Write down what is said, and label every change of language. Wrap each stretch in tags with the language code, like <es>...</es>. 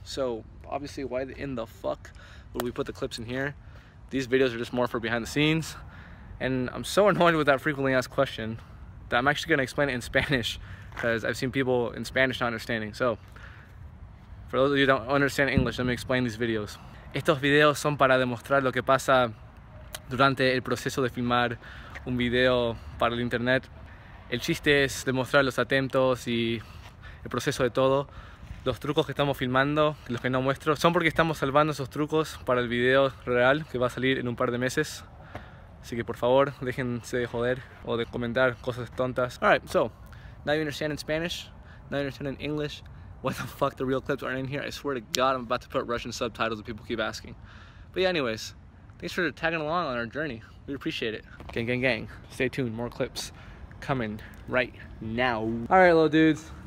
<en>So obviously, why in the fuck would we put the clips in here? These videos are just more for behind the scenes. And I'm so annoyed with that frequently asked question that I'm actually gonna explain it in Spanish because I've seen people in Spanish not understanding. So for those of you that don't understand English, let me explain these videos.</en> <es>Estos videos son para demostrar lo que pasa durante el proceso de filmar un video para el internet. El chiste es demostrar los atentos y el proceso de todo. Los trucos que estamos filmando, los que no muestro, son porque estamos salvando esos trucos para el video real que va a salir en un par de meses. Así que por favor, déjense de joder o de comentar cosas tontas.</es> <en>Alright, so, now you understand in Spanish, now you understand in English, why the fuck the real clips aren't in here. I swear to God, I'm about to put Russian subtitles and people keep asking. But yeah, anyways, thanks for tagging along on our journey. We appreciate it. Gang, gang, gang. Stay tuned, more clips coming right now. Alright, little dudes.</en>